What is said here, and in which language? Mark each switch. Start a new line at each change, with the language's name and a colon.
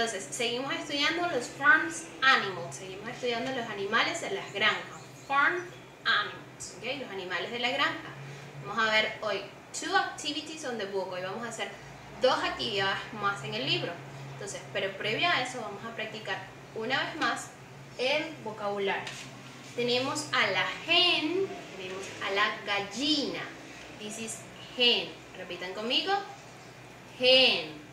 Spanish: seguimos estudiando los farms animals, seguimos estudiando los animales de las granjas. Farm animals, ok, los animales de la granja. Vamos a ver hoy 2 activities on the book. Hoy vamos a hacer 2 actividades más en el libro. Entonces, pero previo a eso vamos a practicar una vez más el vocabulario. Tenemos a la hen, tenemos a la gallina.
English: This is hen. Repitan conmigo. Hen.